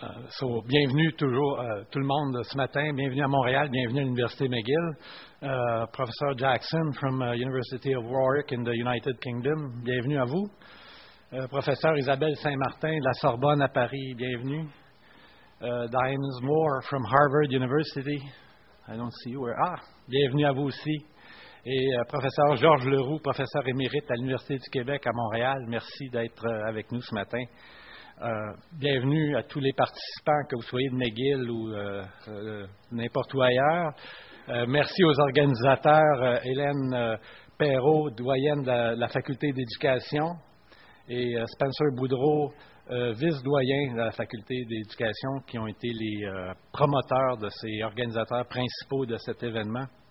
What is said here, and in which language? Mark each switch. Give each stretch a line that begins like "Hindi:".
French: So, bienvenue toujours, tout le monde ce matin. Bienvenue à Montréal. Bienvenue à l'Université McGill.
English: Professor Jackson from University of Warwick in the United Kingdom.
French: Bienvenue à vous. Professeur Isabelle Saint-Martin de la Sorbonne à Paris. Bienvenue.
English: Diane Moore from Harvard University. I don't see you.
French: Bienvenue à vous aussi. Et professeur Georges Leroux, professeur émérite à l'Université du Québec à Montréal. Merci d'être avec nous ce matin. Bienvenue à tous les participants, que vous soyez de McGill ou n'importe où ailleurs. Merci aux organisateurs, Hélène Perrault, doyenne de la Faculté d'éducation, et Spencer Boudreau, vice-doyen de la Faculté d'éducation, qui ont été les promoteurs de ces organisateurs principaux de cet événement.